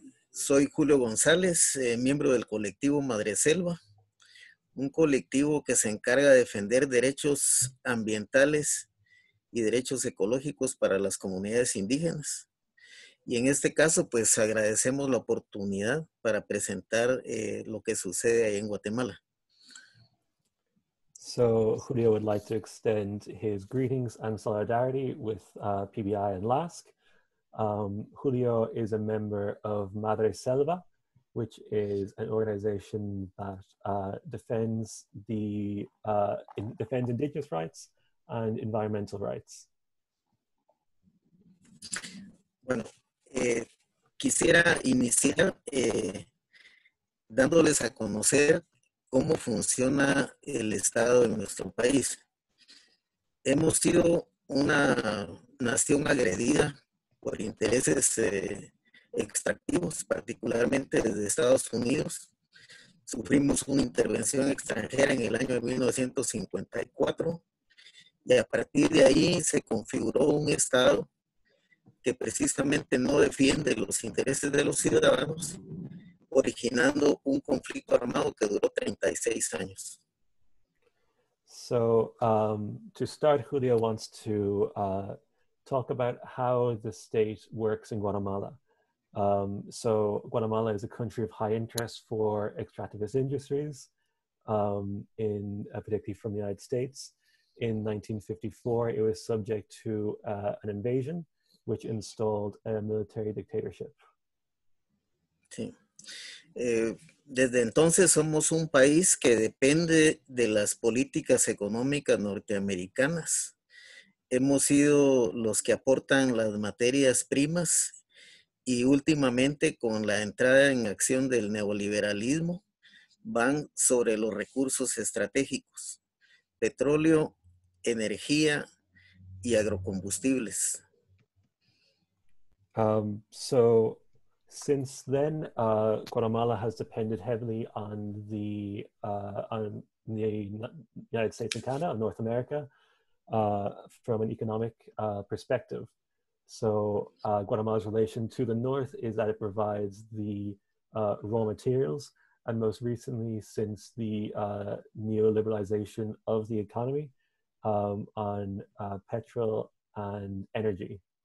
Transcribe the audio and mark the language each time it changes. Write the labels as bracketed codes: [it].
[es] Soy Julio González, miembro del colectivo Madre Selva, un colectivo que se encarga de defender derechos ambientales y derechos ecológicos para las comunidades indígenas. Y en este caso, pues agradecemos la oportunidad para presentar lo que sucede ahí en Guatemala. [en] So Julio would like to extend his greetings and solidarity with PBI and LASC. Julio is a member of Madre Selva, which is an organization that defends the defends indigenous rights and environmental rights. [es] Bueno, quisiera iniciar dándoles a conocer cómo funciona el Estado en nuestro país. Hemos sido una nación agredida por intereses extractivos, particularmente desde Estados Unidos. Sufrimos una intervención extranjera en el año 1954 y a partir de ahí se configuró un Estado que precisamente no defiende los intereses de los ciudadanos, originando un conflicto armado que duró 36 años. [en] So, to start, Julio wants to talk about how the state works in Guatemala. So, Guatemala is a country of high interest for extractivist industries, particularly from the United States. In 1954, it was subject to an invasion, which installed a military dictatorship. [es] Sí. Desde entonces somos un país que depende de las políticas económicas norteamericanas. Hemos sido los que aportan las materias primas y últimamente con la entrada en acción del neoliberalismo van sobre los recursos estratégicos, petróleo, energía y agrocombustibles. [en] So, since then, Guatemala has depended heavily on the United States and Canada, on North America, from an economic perspective. So, Guatemala's relation to the North is that it provides the raw materials, and most recently, since the neoliberalization of the economy, on petrol and energy.